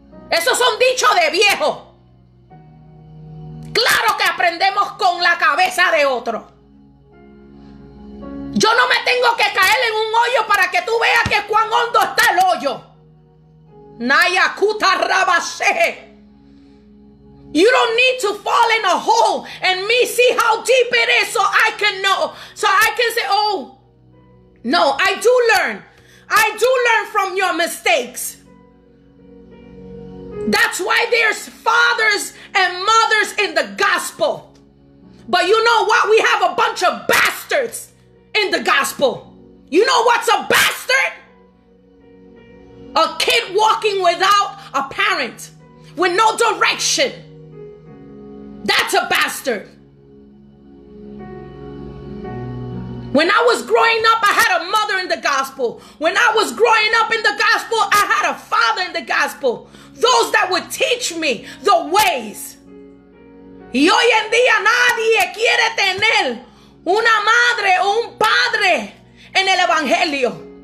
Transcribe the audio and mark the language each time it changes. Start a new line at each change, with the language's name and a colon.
Spanish: Esos son dichos de viejo. Claro que aprendemos con la cabeza de otro. Yo no me tengo que caer en un hoyo para que tú veas que cuán hondo está el hoyo. Nayakuta rabase.
English: You don't need to fall in a hole and me see how deep it is so I can know. So I can say, oh, no, I do learn. I do learn from your mistakes. That's why there's fathers and mothers in the gospel. But you know what? We have a bunch of bastards in the gospel. You know what's a bastard? A kid walking without a parent, with no direction. That's a bastard. When I was growing up, I had a mother in the gospel. When I was growing up in the gospel, I had a father in the gospel. Those that would teach me the ways.
Spanish: Y hoy en día nadie quiere tener una madre o un padre en el evangelio.